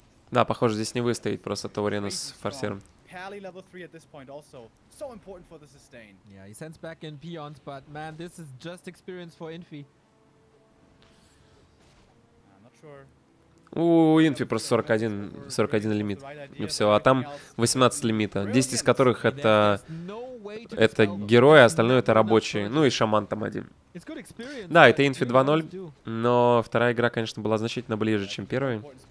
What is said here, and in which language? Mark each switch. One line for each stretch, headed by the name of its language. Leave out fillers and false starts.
Russian: Да, похоже, здесь не выстоять просто Таурена с форсером.
English: Pally level 3 at this point also, so important for the sustain. Yeah, he sends back in peons, but man, this is just experience for Infi. I'm not sure.
Russian: У Инфи просто 41 лимит, и все, а там 18 лимита, 10 из которых это герои, остальное это рабочие, ну и шаман там один. Да, это Инфи 2-0, но вторая игра, конечно, была значительно ближе, чем первая.